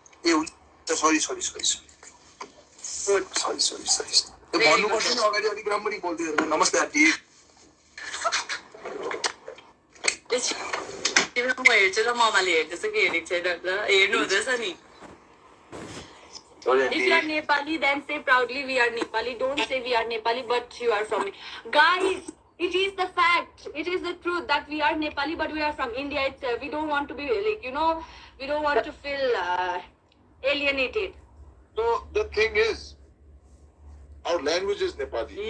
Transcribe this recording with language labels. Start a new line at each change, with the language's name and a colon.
Nepali: ए हुन्छ सॉरी त भन्नु पर्छ नि अगाडि अलिक राम्ररी बोल्दै हेर्नु नमस्ते आन्टी तिम्रो मामा हेर्छ र मामाले हेर्दैछ कि हेरेको छैन ल हेर्नु हुँदैछ नि
English: If you are Nepali, then say proudly, we are Nepali. Don't say we are Nepali, but you are from me. Guys, It is the fact, it is the truth that we are Nepali, but we are from India itself. We don't want to be, like, you know, we don't want to feel alienated. So, the thing is, our language is Nepali.